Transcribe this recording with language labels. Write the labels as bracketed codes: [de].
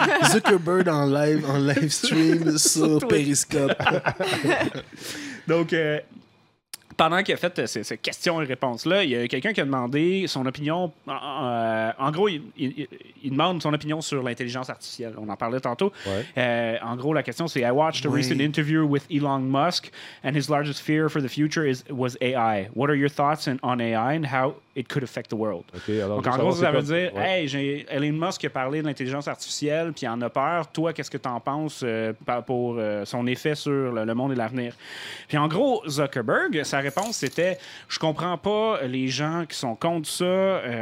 [fr] Zuckerberg en live stream sur Periscope. Donc pendant qu'il a fait ces questions et réponses-là, il y a quelqu'un qui a demandé son opinion. En gros, il demande son opinion sur l'intelligence artificielle. On en parlait tantôt. Ouais. En gros, la question, c'est [en] « I watched a recent interview with Elon Musk and his largest fear for the future was AI. What are your thoughts on AI and how it could affect the world? Okay, » [fr] Donc, en gros, ça veut dire « Hey, Elon Musk a parlé de l'intelligence artificielle puis il en a peur. Toi, qu'est-ce que t'en penses pour son effet sur le monde et l'avenir? » Puis en gros, Zuckerberg... Sa réponse, c'était « Je comprends pas les gens qui sont contre ça.